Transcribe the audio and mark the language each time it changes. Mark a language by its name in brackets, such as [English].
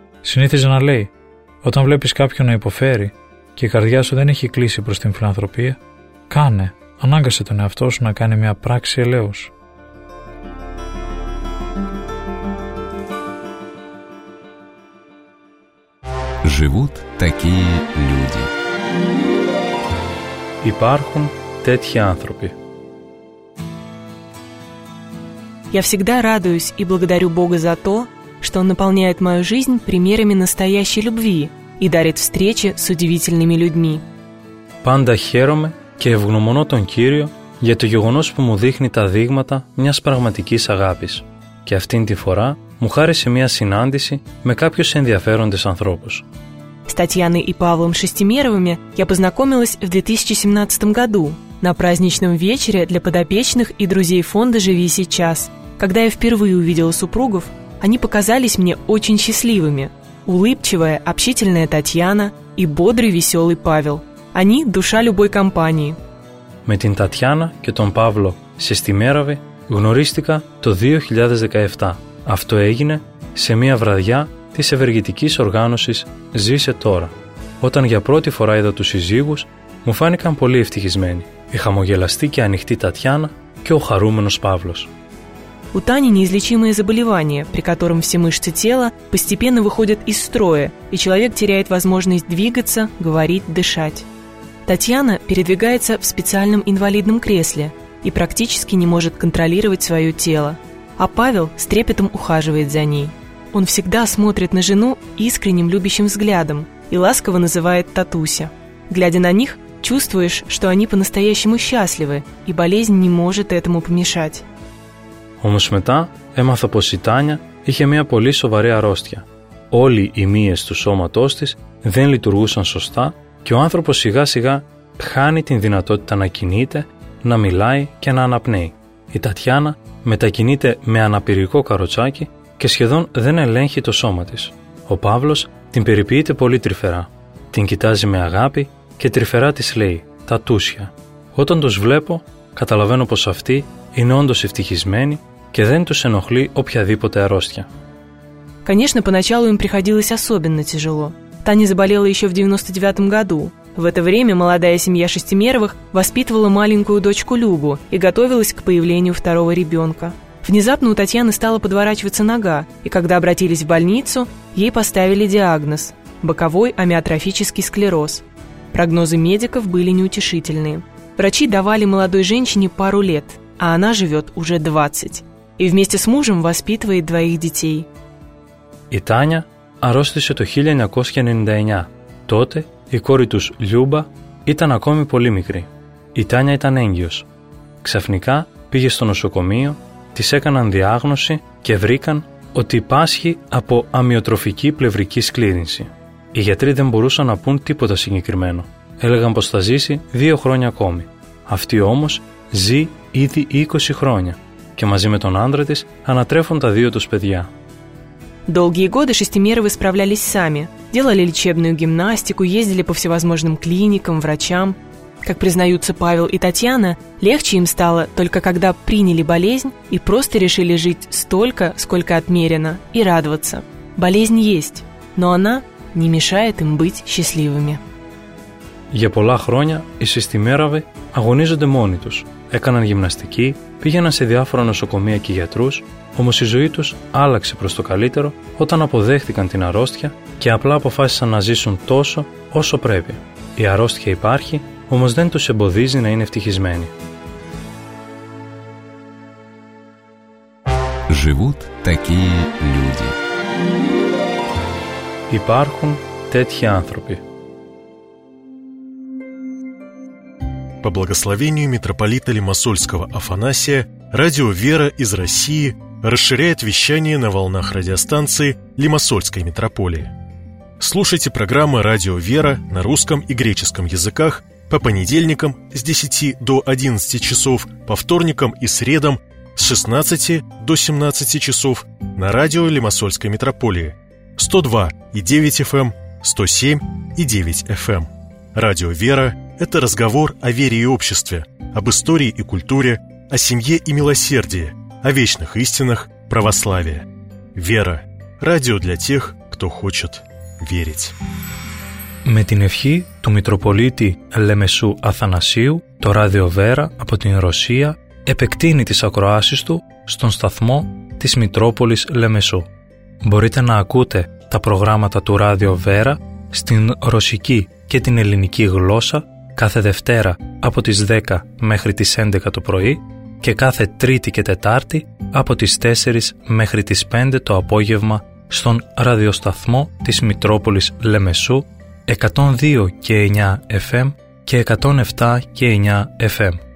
[Greek] Συνήθιζε να λέει: «Όταν βλέπεις κάποιον να υποφέρει και η καρδιά σου δεν έχει κλείσει προς την φιλανθρωπία, κάνε, ανάγκασε τον εαυτό σου να κάνει μια πράξη ελέους». [Russian] Живут такие люди. [Greek] Υπάρχουν τέτοιοι άνθρωποι. [Russian] Я всегда радуюсь и благодарю Бога за то, что Он наполняет мою жизнь примерами настоящей любви и дарит встречи с удивительными людьми. [Greek] Πάντα χαίρομαι και ευγνωμονώ τον Κύριο για το γεγονός που μου δείχνει τα δείγματα μιας πραγματικής αγάπης. Και αυτήν τη φορά μου χάρισε μια συνάντηση με κάποιους ενδιαφέροντες ανθρώπους. [Russian] С Татьяной и Павлом Шестимеровыми я познакомилась в 2017 году на праздничном вечере для подопечных и друзей фонда «Живи сейчас». Когда я впервые увидела супругов, они показались мне очень счастливыми. Улыбчивая, общительная Татьяна и бодрый, веселый Павел. Они – душа любой компании. [Greek] Με την Татьяна και τον Павло Шестимеровы γνωρίστηκα το 2017. Αυτό έγινε σε μια βραδιά της ευεργετικής οργάνωσης «Ζήσε τώρα». Όταν για πρώτη φορά είδα τους συζύγους, μου φάνηκαν πολύ ευτυχισμένοι. Η χαμογελαστή και ανοιχτή Τατιάνα και ο χαρούμενος Παύλος. [Russian] У Тани неизлечимое заболевание, при котором все мышцы тела постепенно выходят из строя, и человек теряет возможность двигаться, говорить, дышать. Татьяна передвигается в специальном инвалидном кресле и практически не может контролировать свое тело. А Павел с трепетом ухаживает за ней. Он всегда смотрит на жену искренним любящим взглядом и ласково называет «Татуся». Глядя на них, чувствуешь, что они по-настоящему счастливы, и болезнь не может этому помешать. [Greek] Όμως μετά έμαθα πως η Τάνια είχε μια πολύ σοβαρή αρρώστια. Όλοι οι μύες του σώματός της δεν λειτουργούσαν σωστά και ο άνθρωπος σιγά σιγά χάνει την δυνατότητα να κινείται, να μιλάει και να αναπνέει. Η Τατιάνα μετακινείται με αναπηρικό καροτσάκι και σχεδόν δεν ελέγχει το σώμα της. Ο Παύλος την περιποιείται πολύ τρυφερά. Την κοιτάζει με αγάπη και τρυφερά της λέει «Τα τούσια». Όταν τους βλέπω, καταλαβαίνω πως αυτοί είναι όντως ευτυχισμένοι και δεν τους ενοχλεί οποιαδήποτε αρρώστια. [Russian] Конечно, поначалу им приходилось особенно тяжело. Таня заболела еще в 99-м году. В это время молодая семья Шестимеровых воспитывала маленькую дочку Любу и готовилась к появлению второго ребенка. Внезапно у Татьяны стала подворачиваться нога, и когда обратились в больницу, ей поставили диагноз – боковой амиотрофический склероз. Прогнозы медиков были неутешительные. Врачи давали молодой женщине пару лет, а она живет уже 20. И вместе с мужем воспитывает двоих детей. [Greek] Η Τάνια αρρώστησε το 1999. Τότε η κόρη τους Λιούμπα ήταν ακόμη πολύ μικρή. Η Τάνια ήταν έγκυος. Ξαφνικά πήγε στο νοσοκομείο, της έκαναν διάγνωση και βρήκαν ότι πάσχει από αμυοτροφική πλευρική σκλήρυνση. Οι γιατροί δεν μπορούσαν να πούν τίποτα συγκεκριμένο. Έλεγαν πως θα ζήσει 2 χρόνια ακόμη. Αυτή όμως ζει ήδη 20 χρόνια και μαζί με τον άντρα της ανατρέφουν τα 2 τους παιδιά. [Russian] Долгие годы Шестимеровы справлялись сами. Делали лечебную гимнастику, ездили по всевозможным клиникам, врачам. Как признаются Павел и Татьяна, легче им стало только когда приняли болезнь и просто решили жить столько, сколько отмерено, и радоваться. Болезнь есть, но она не мешает им быть счастливыми. [Greek] Για πολλά χρόνια οι Шестимеровы αγωνίζονται μόνοι τους. Έκαναν γυμναστική, πήγαιναν σε διάφορα νοσοκομεία και γιατρούς, όμως η ζωή τους άλλαξε προς το καλύτερο όταν αποδέχτηκαν την αρρώστια και απλά αποφάσισαν να ζήσουν τόσο όσο πρέπει. Η αρρώστια υπάρχει, όμως δεν τους εμποδίζει να είναι ευτυχισμένοι. [Russian] Живут такие люди. [Greek] Υπάρχουν τέτοιοι άνθρωποι. [Russian] По благословению митрополита Лимассольского Афанасия, радио «Вера» из России расширяет вещание на волнах радиостанции Лимассольской митрополии. Слушайте программы «Радио «Вера» на русском и греческом языках по понедельникам с 10 до 11 часов, по вторникам и средам с 16 до 17 часов на радио Лимассольской митрополии 102.9 FM, 107.9 FM. Радио «Вера» – это разговор о вере и обществе, об истории и культуре, о семье и милосердии, о вечных истинах православия. «Вера» – радио для тех, кто хочет верить. [Greek] Με την ευχή του Μητροπολίτη Λεμεσού Αθανασίου, το Ράδιο Βέρα από την Ρωσία επεκτείνει τις ακροάσεις του στον σταθμό της Μητρόπολης Λεμεσού. Μπορείτε να ακούτε τα προγράμματα του Ράδιο Βέρα στην ρωσική και την ελληνική γλώσσα κάθε Δευτέρα από τις 10 μέχρι τις 11 το πρωί και κάθε Τρίτη και Τετάρτη από τις 4 μέχρι τις 5 το απόγευμα στον ραδιοσταθμό της Μητρόπολης Λεμεσού 102 και 9 FM και 107 και 9 FM.